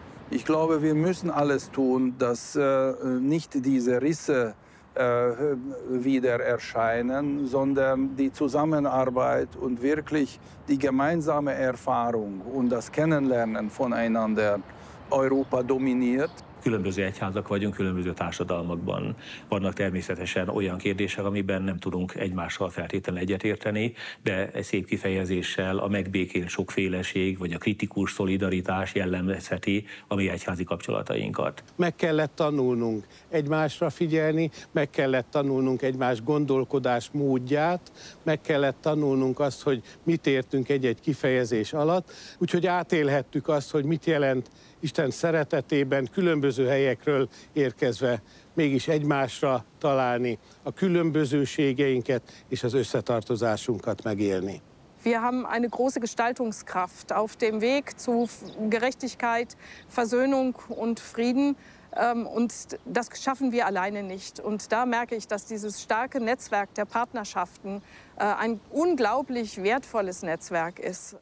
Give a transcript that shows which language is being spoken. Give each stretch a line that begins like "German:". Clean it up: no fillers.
German: Ich glaube, wir müssen alles tun, dass nicht diese Risse wieder erscheinen, sondern die Zusammenarbeit und wirklich die gemeinsame Erfahrung und das Kennenlernen voneinander Europa dominiert.
Hungarian: Különböző egyházak vagyunk, különböző társadalmakban vannak természetesen olyan kérdések, amiben nem tudunk egymással feltétlenül egyetérteni, de egy szép kifejezéssel a megbékélt sokféleség vagy a kritikus szolidaritás jellemezheti a mi egyházi kapcsolatainkat. Meg kellett tanulnunk egymásra figyelni, meg kellett tanulnunk egymás gondolkodás módját, meg kellett tanulnunk azt, hogy mit értünk egy-egy kifejezés alatt, úgyhogy átélhettük azt, hogy mit jelent Isten szeretetében különböző helyekről érkezve mégis egymásra találni a különbözőségeinket és az összetartozásunkat megélni.
German: Wir haben eine große Gestaltungskraft auf dem Weg zu Gerechtigkeit, Versöhnung und Frieden. Und das schaffen wir alleine nicht. Und da merke ich, dass dieses starke Netzwerk der Partnerschaften ein unglaublich wertvolles Netzwerk ist.